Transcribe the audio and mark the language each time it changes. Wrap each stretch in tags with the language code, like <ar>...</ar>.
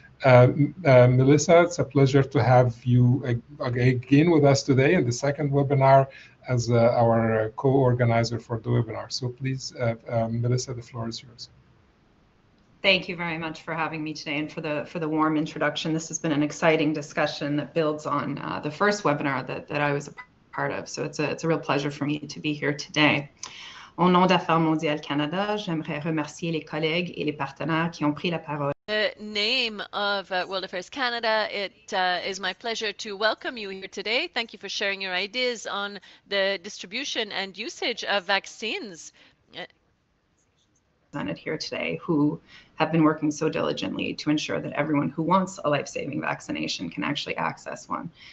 <en>Mellissa, it's a pleasure to have you again with us today in the second webinar as our co-organizer for the webinar. So please, Mellissa, the floor is yours. Thank you very much for having me today and for the warm introduction. This has been an exciting discussion that builds on the first webinar that I was a part of. So it's a real pleasure for me to be here today.</en> <fr>Au nom d'Affaires Mondiales Canada, j'aimerais remercier les collègues et les partenaires qui ont pris la parole.</fr> <en>The name of World Affairs Canada, it is my pleasure to welcome you here today. Thank you for sharing your ideas on the distribution and usage of vaccines. On it here today, who have been working so diligently to ensure that everyone who wants a life-saving vaccination can actually access one.</en>